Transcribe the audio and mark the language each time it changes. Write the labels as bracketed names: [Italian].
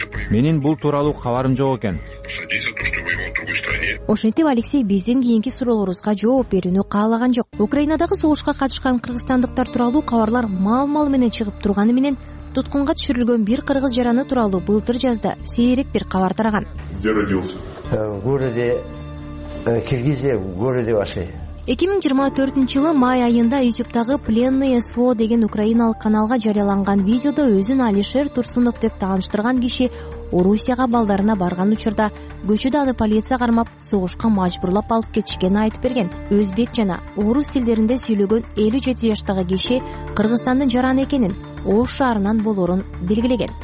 [Kyrgyz] Менин бул тууралуу кабарым жок экен. Ошентип, Алексей биздин кийинки суроолорубузга жооп берүүнү каалаган жок. Украинадагы согушка катышкан кыргызстандыктар тууралуу кабарлар мал-мал менен чыгып турганы менен туткунга түшүрүлгөн бир кыргыз жараны тууралуу былтыр жазда сейрек бир кабар тараган. [Russian] Где родился? В городе Киргизия, в городе вашей. [Kyrgyz] 2024 жылы май айында YouTube-тагы Пленный СВО деген украиналык каналга жарыяланган видеодо өзүн Алишер Турсунов деп тааныштырган киши Орусияга балдарына барган учурда көчөдө аны полиция кармап, согушка мажбурлап алып кетишкенин айтып берген. Өзбек жана орус тилдеринде сүйлөгөн 57 жаштагы киши Кыргызстандын жараны экенин, Ош шаарынан болорун белгилеген.